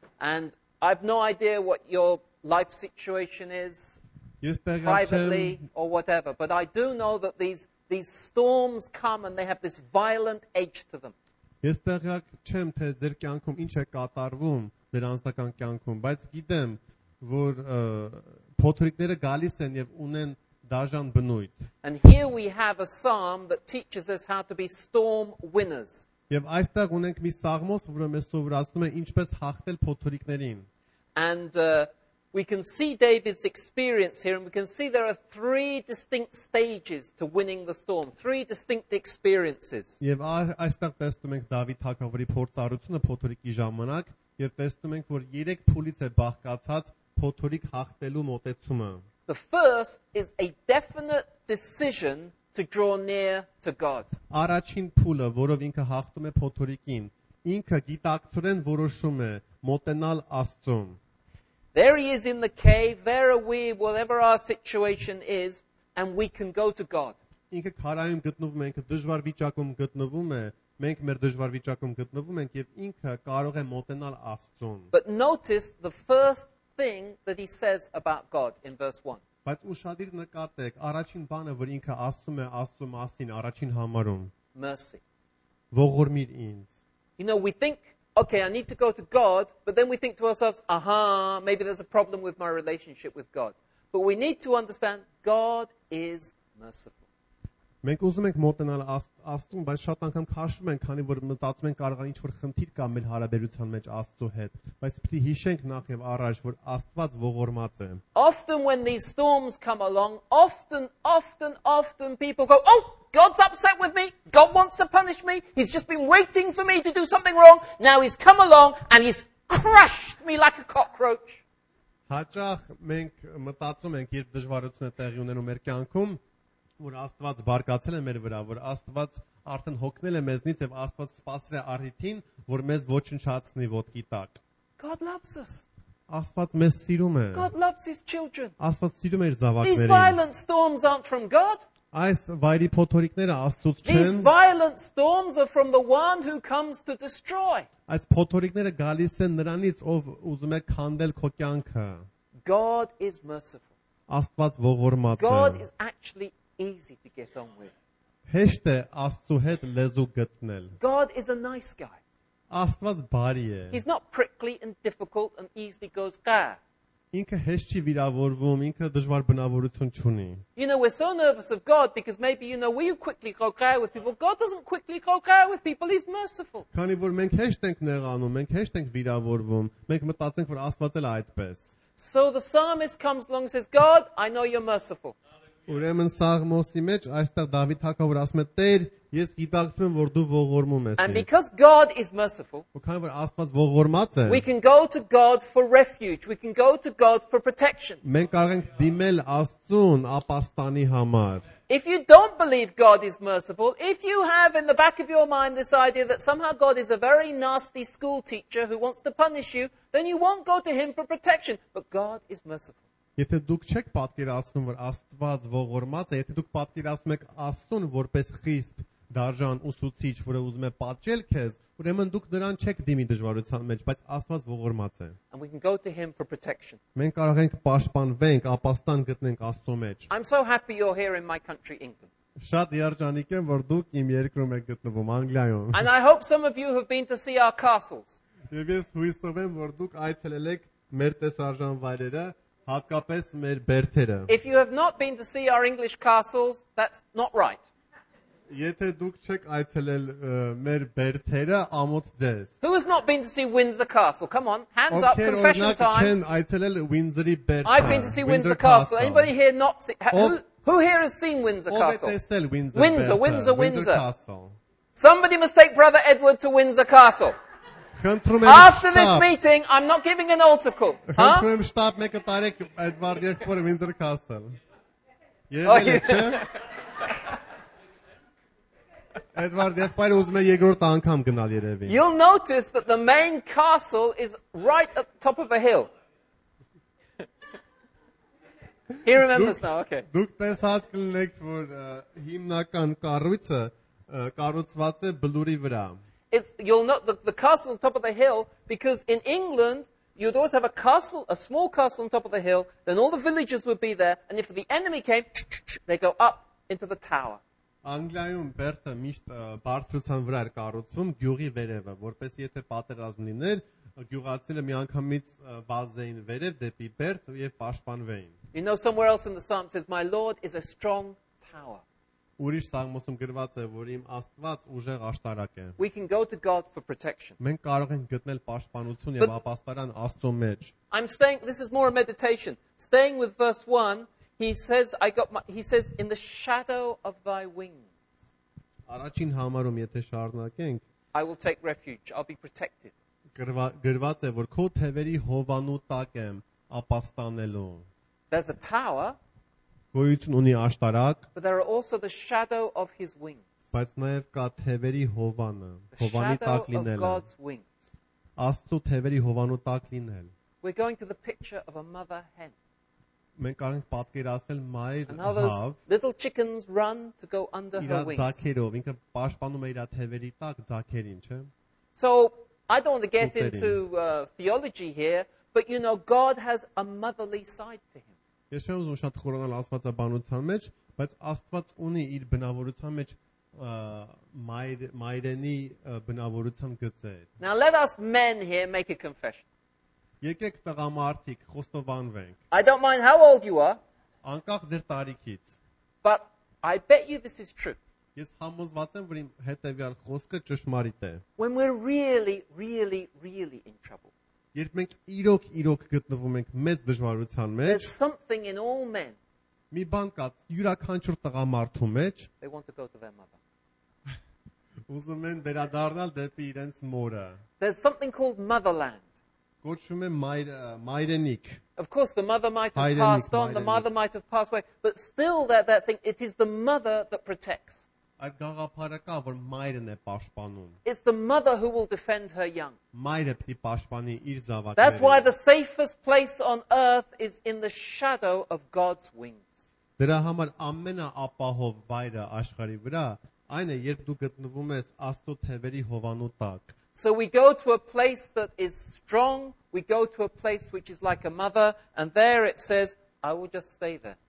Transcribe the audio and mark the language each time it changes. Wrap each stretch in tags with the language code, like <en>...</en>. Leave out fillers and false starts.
<en>And I have no idea what your life situation is.</en> <hy>Ես դեռ</hy> <en>privately or whatever, but I do know that these storms come and they have this violent edge to them.</en> <hy>Ես դեռ չեմ թե ձեր կյանքում ինչ է կատարվում ձեր անձնական կյանքում, բայց գիտեմ որ փոթրիկները գալիս են եւ ունեն դաժան բնույթ.</hy> <en>And here we have a psalm that teaches us how to be storm winners.</en> <hy>Եվ այստեղ ունենք մի սաղմոս, որը մեզ սովորացնում է ինչպես հաղթել փոթորիկներին։</hy> <en>And we can see David's experience here and we can see there are three distinct stages to winning the storm, three distinct experiences.</en> <hy>Եվ այստեղ տեսնում ենք Դավիթ թագավորի փորձառությունը փոթորիկի ժամանակ եւ տեսնում ենք որ 3 փուլից է բաղկացած փոթորիկ հաղթելու մոտեցումը։</hy> <en>The first is a definite decision to draw near to God.</en> <hy>Առաջին փուլը, որով ինքը հաղթում է փոթորիկին, ինքը գիտակցորեն որոշում է մոտենալ Աստծուն.</hy> <en>There he is in the cave, there are we, whatever our situation is, and we can go to God.</en> <hy>Ինքը քարայում գտնվում է, ինքը դժվար վիճակում գտնվում է, մենք մեր դժվար վիճակում գտնվում ենք եւ ինքը կարող է մոտենալ Աստծուն.</hy> <en>But notice the first thing that he says about God in verse 1.</en> <hy>Բայց ուշադիր նկատեք, առաջին բանը, որ ինքը ասում է Աստծո մասին առաջին համարում.</hy> <en>Mercy.</en> <hy>Ողորմիր ինձ.</hy> <en>You know, we think, okay, I need to go to God, but then we think to ourselves, aha, maybe there's a problem with my relationship with God. But we need to understand God is merciful.</en> <hy>Մենք ուզում ենք մոտենալ Աստծուն, բայց շատ անգամ քաշվում ենք, քանի որ մտածում ենք կարող է ինչ-որ խնդիր կա մեր հարաբերության մեջ Աստծու հետ, բայց պիտի հիշենք նախ եւ առաջ, որ Աստված ողորմած է։</hy> <en>Often when these storms come along, often people go, "Oh, God's upset with me. God wants to punish me. He's just been waiting for me to do something wrong. Now he's come along and he's crushed me like a cockroach."</en> <hy>Հաճախ մենք մտածում ենք, երբ դժվարություն է տեղի ունենում մեր կյանքում, որ Աստված բարգացել է մեր վրա, որ Աստված արդեն հոգնել է մեզնից եւ Աստված սпасել է առիթին, որ մեզ ոչնչացնի ոտքի տակ։</hy> <en>God loves us.</en> <hy>Աստված մեզ սիրում է։</hy> <en>God loves his children.</en> <hy>Աստված սիրում է իր զավակներին։</hy> <en>These violent storms aren't from God.</en> <hy>Այս վայրի փոթորիկները Աստծուց չեն։</hy> <en>These violent storms are from the one who comes to destroy.</en> <hy>Այս փոթորիկները գալիս են նրանից, ով ուզում է քանդել քո կյանքը։</hy> <en>God is merciful.</en> <hy>Աստված ողորմած է։</hy> <en>God is actually easy to get on with.</en> <hy>Հեշտ է Աստծու հետ լեզու գտնել.</hy> <en>God is a nice guy.</en> <hy>Աստված բարի է.</hy> <en>He's not prickly and difficult and easily goes gah.</en> <hy>Ինքը հեշտ չի վիրավորվում, ինքը դժվար բնավորություն չունի.</hy> <en>You know, we're so nervous of God because maybe you know we quickly go gah with people. God doesn't quickly go gah with people. He's merciful.</en> <hy>Քանի որ մենք հեշտ ենք նեղանում, մենք հեշտ ենք վիրավորվում, մենք մտածենք որ Աստված էլ այդպես.</hy> <en>So the psalmist comes along and says, God, I know you're merciful.</en> <hy>Ուրեմն սաղմոսի մեջ այստեղ Դավիթ հակավոր ասում է Տեր, ես գիտակցում եմ որ դու ողորմում ես։</hy> <en>And because God is merciful.</en> <hy>Ու քանի որ Աստված ողորմած է։</hy> <en>We can go to God for refuge. We can go to God for protection.</en> <hy>Մենք կարող ենք դիմել Աստծուն ապաստանի համար։</hy> <en>If you don't believe God is merciful, if you have in the back of your mind this idea that somehow God is a very nasty school teacher who wants to punish you, then you won't go to him for protection. But God is merciful.</en> <hy>Եթե դուք չեք պատկերացնում, որ Աստված ողորմած է, եթե դուք պատկերացնում եք Աստուն որպես խիստ, դաժան ուսուցիչ, որը ուզում է պատժել քեզ, ուրեմն դուք նրան չեք դիմի դժվարության մեջ, բայց Աստված ողորմած է։</hy> <en>And we can go to him for protection.</en> <hy>Մենք կարող ենք պաշտպանվենք, ապաստան գտնենք Աստծո մեջ։</hy> <en>I'm so happy you're here in my country, England.</en> <hy>Շատ երջանիկ եմ, որ դուք իմ երկրում եք գտնվում, Անգլիայում։</hy> <en>And I hope some of you have been to see our castles.</en> <hy>Եվ ես հույսով եմ, որ դուք այցելել եք մեր տեսարժան վայրերը, հատկապես մեր բերդերը։</hy> <en>If you have not been to see our English castles, that's not right.</en> <hy>Եթե դուք չեք այցելել մեր բերդերը, ամոթ ձեզ։</hy> <en>Who has not been to see Windsor Castle? Come on, hands up, confession time.</en> <hy>Ո՞նք չեն այցելել Windsor-ի բերդը։</hy> <en>I've been to see Windsor Castle. Anybody here not see? Who here has seen Windsor Castle?</en> <hy>Ո՞վ է տեսել Windsor։</hy> <en>Windsor Castle. Somebody must take Brother Edward to Windsor Castle. After this meeting, I'm not giving an altar call.</en> <hy>Խնդրում շտապ մեկը տարեք Էդվարդ Եղբորը Windsor Castle. Եղել է, չէ՞։</hy> <en>You'll notice that the main castle is right at the top of a hill. He remembers now, okay.</en> <hy>Դուք տեսած կլինեք, որ հիմնական կառույցը կառուցված է բլուրի վրա.</hy> <en>It's, you'll know the castle on top of the hill, because in England you'd always have a castle, a small castle on top of the hill, then all the villagers would be there, and if the enemy came, they go up into the tower.</en> <hy>Անգլիայում Բերտը միշտ բարձրության վրա էր կառուցվում գյուղի վերևը, որպես եթե պատերազմ լիներ, գյուղացիները միանգամից վազեին վերև դեպի Բերտ և պաշտպանվեին.</hy> <en>You know, somewhere else in the psalm says, my Lord is a strong tower.</en> <hy>Ուրիշ սաղմոսում գրված է, որ իմ Աստված ուժեղ աշտարակ է.</hy> <en>We can go to God for protection.</en> <hy>Մենք կարող ենք գտնել պաշտպանություն և ապաստարան Աստծո մեջ.</hy> <en>I'm staying, this is more a meditation. Staying with verse 1, he says, he says, in the shadow of thy wings.</en> <hy>Առաջին համարում, եթե շարնակենք.</hy> <en>I will take refuge, I'll be protected.</en> <hy>Գրված է, որ քո թևերի հովանու տակ եմ ապաստանելու.</hy> <en>There's a tower.</en> <hy>Գույցն ունի աշտարակ.</hy> <en>But there are also the shadow of his wings.</en> <hy>Բայց նաև կա թևերի հովանը, հովանի տակ լինելը.</hy> <en>The shadow of God's wings.</en> <hy>Աստծո թևերի հովանու տակ լինել.</hy> <en>We're going to the picture of a mother hen.</en> <hy>Մենք կարող ենք պատկերացնել մայր հավ.</hy> <en>And all those little chickens run to go under her wings.</en> <hy>Իր ձագերով, ինքը պաշտպանում է իր թևերի տակ ձագերին, չէ՞։</hy> <en>So I don't want to get into theology here, but you know, God has a motherly side to him.</en> <hy>Ես չեմ ուզում շատ խորանալ Աստվածաբանության մեջ, բայց Աստված ունի իր բնավորության մեջ մայրենի բնավորության գծեր.</hy> <en>Now let us men here make a confession.</en> <hy>Եկեք տղամարդիկ խոստովանվենք.</hy> <en>I don't mind how old you are.</en> <hy>Անկախ ձեր տարիքից.</hy> <en>But I bet you this is true.</en> <hy>Ես համոզված եմ, որ իմ հետևյալ խոսքը ճշմարիտ է.</hy> <en>When we're really, really, really in trouble.</en> <hy>Երբ մենք իրոք գտնվում ենք մեծ դժվարության մեջ,</hy> <en>there's something in all men.</en> <hy>Մի բան կա յուրաքանչյուր տղամարդու մեջ.</hy> <en>They want to go to their mother.</en> <hy>Ուզում են վերադառնալ դեպի իրենց մորը.</hy> <en>There's something called motherland.</en> <hy>Կոչվում է մայրենիք.</hy> <en>Of course the mother might have passed on, the mother might have passed away, but still that thing, it is the mother that protects.</en> <hy>Այդ գաղափարը կա, որ մայրն է պաշտպանում.</hy> <en>It's the mother who will defend her young.</en> <hy>Մայրը պետք է պաշտպանի իր զավակները.</hy> <en>That's why the safest place on earth is in the shadow of God's wings.</en> <hy>Դրա համար ամենաապահով վայրը աշխարի վրա այն է, երբ դու գտնվում ես Աստծո թևերի հովանու տակ.</hy> <en>So we go to a place that is strong, we go to a place which is like a mother, and there it says, I will just stay there.</en>